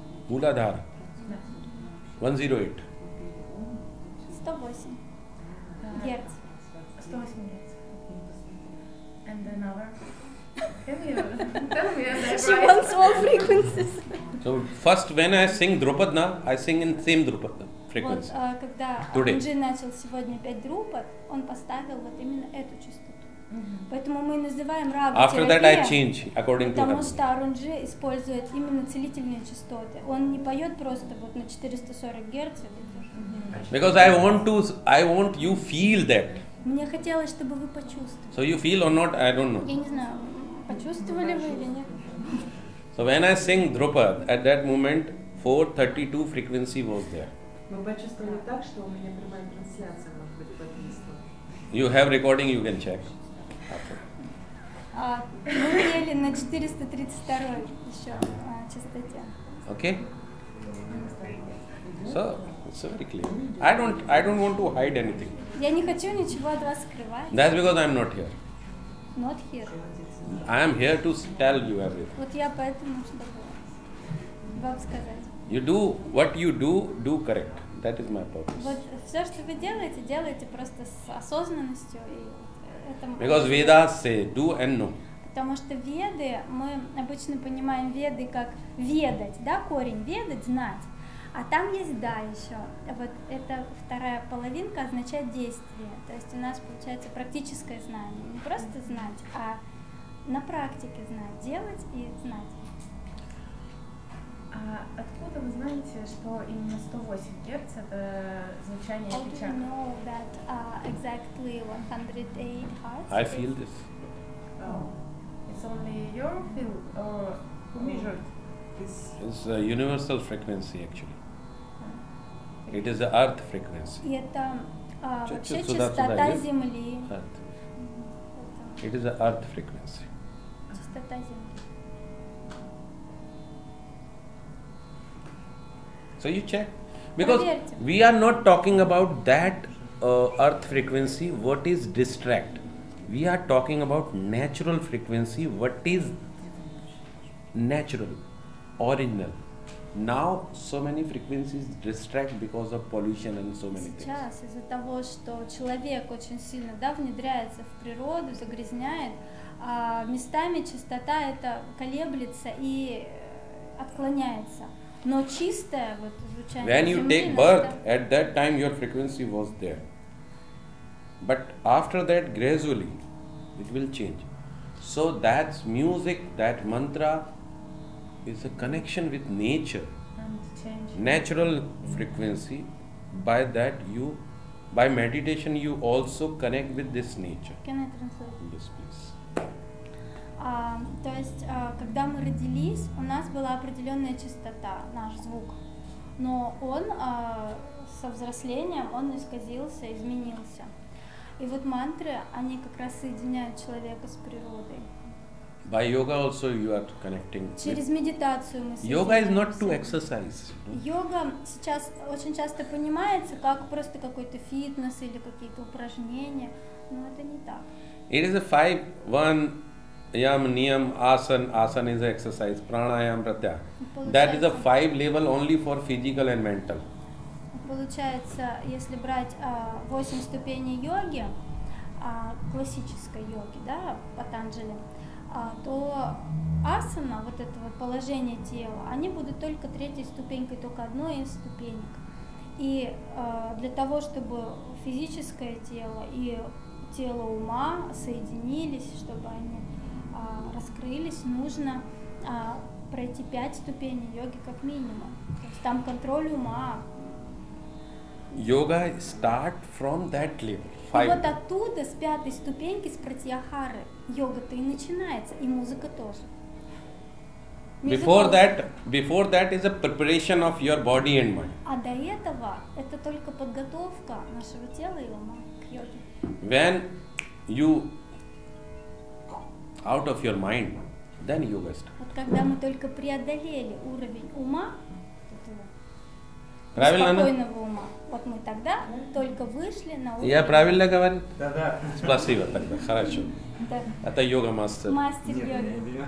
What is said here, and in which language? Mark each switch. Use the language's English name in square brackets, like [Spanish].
[English] Mooladhara. 108. [Russian] 108. Герц. [English] 108 minutes. And then our... Can you tell me? She wants all frequencies. So first, when I sing Drupadna, I sing in same Drupadna frequency. [Russian] Вот, когда Анджи начал сегодня петь Друпад, он поставил вот именно эту частоту. Поэтому мы называем рагу терапия. [English] After that I change according to her. [Russian] Потому что Анджи использует именно целительные частоты. Он не поет просто вот на 440 Гц. [English] Because I want you feel that. [Russian] Мне хотелось, чтобы вы почувствовали. [English] So you feel or not, I don't know. [Russian] Я не знаю, почувствовали вы или нет. [English] So when I sing Drupad, at that moment 432 frequency was there. [Russian] Мы почувствовали так, что у меня прямая трансляция находит в этом месте. [English] You have recording, you can check. [Russian] Мы пели на 432 еще частоте. [English] Okay. So it's very clear. I don't want to hide anything. [Russian] Я не хочу ничего от вас скрывать. [English] That's because I'm not here. Not here. I am here to tell you everything. [Russian] Вот я поэтому, чтобы вам сказать. [English] You do what you do, do correct. That is my purpose. [Russian] Вот все, что вы делаете, делайте просто с осознанностью и этому. [English] Because Vedas say do and know. [Russian] Потому что Веды, мы обычно понимаем Веды как ведать, да, корень, ведать, знать. А там есть «да» еще. Вот эта вторая половинка означает действие. То есть у нас получается практическое знание. Не просто знать, а на практике знать, делать и знать. А откуда вы знаете, что именно 108 Гц – это звучание этой чакры? [English] How do you know that exactly 108 Hz? I feel this. Oh. It's only your feel or who measured this? It's a universal frequency, actually. It is the earth frequency. [Russian] Это вообще частота Земли. [English] It is the earth frequency. [Russian] Вот пустота земли. [English] So you check. Because we are not talking about that earth frequency, what is distract. We are talking about natural frequency, what is natural, original. Now so many frequencies distract because of pollution and so many things. [Russian] Сейчас из-за того, что человек очень сильно, да, внедряется в природу, загрязняет, местами частота эта колеблется и отклоняется. Но чистое вот звучание. [English] When you take birth, at that time your frequency was there. But after that, gradually, it will change. So that music, that mantra, is a connection with nature. Natural frequency. By that you, by meditation, you also connect with this nature. Can I translate? Yes, please. [Russian] То есть, когда мы родились, у нас была определенная частота, наш звук. Но он со взрослением, он исказился, изменился. И вот мантры, они как раз соединяют человека с природой. [English] By yoga also you are connecting. [Russian] Через медитацию мы соединяемся. [English] Yoga is not to exercise. [Russian] Йога сейчас очень часто понимается как просто какой-то фитнес или какие-то упражнения, но это не так. [English] It is a 5-1 Yam, Niyam, Asan. Asan is an exercise. Pranayam, Pratyah. That is a 5-level only for physical and mental. [Russian] Получается, если брать 8 ступеней йоги, классической йоги, да, Патанджали, то асана, вот это вот положение тела, они будут только третьей ступенькой, только одной из ступенек. И для того, чтобы физическое тело и тело ума соединились, чтобы они раскрылись, нужно пройти 5 ступеней йоги как минимум. То есть там контроль ума. [English] Йога start from that level. [Russian] Вот оттуда, с 5 ступеньки, с пратьяхары, йога-то и начинается, и музыка тоже. [English] Before that is a preparation of your body and mind. [Russian] А до этого это только подготовка нашего тела и ума к йоге. [English] When you out of your mind, then yoga starts. [Russian] Вот когда мы только преодолели уровень ума, правильно, спокойного ума, вот мы тогда только вышли на уровень. Я правильно говорю? Да. Спасибо тогда, хорошо. Да. Это йога-мастер. Мастер йоги.